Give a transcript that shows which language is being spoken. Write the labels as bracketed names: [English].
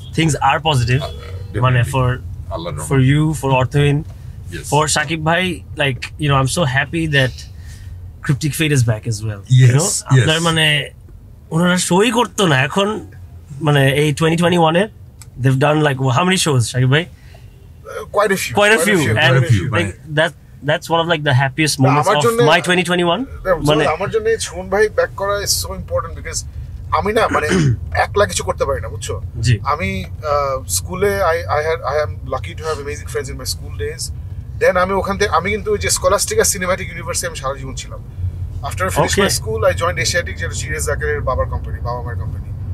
[English] Things আর positive মানে for আল্লাহর রহমত, ফর ইউ, ফর অর্থহীন, ফর শাকিব ভাই. Like you know I am so happy that Cryptic Fate is back as well. Yes, you know, yes. [Bangla] মানে ওনারা শোই করতো না এখন মানে এই 2021 এ [English] they've done like how many shows Shakib bhai? Quite a few. That's one of like the happiest moments of my 2021. [Bangla] মানে আমার জন্য Sumon bhai back করা [English] is so important because [Bangla] আমি না মানে একলা কিছু করতে পারি না, বুঝছো? জি, আমি স্কুলে [English] I am lucky to have amazing friends in my school days. Then [Bangla] আমি ওখান থেকে আমি কিন্তু যে স্কলাস্টিক আর সিনেমাটিক ইউনিভার্সে আমি সারা জীবন ছিলাম. [English] after finish my school I joined [Bangla] Asiatic, যেটা সিরিয়াস জাকারের বাবার কোম্পানি, বাবা মায়ের কোম্পানি.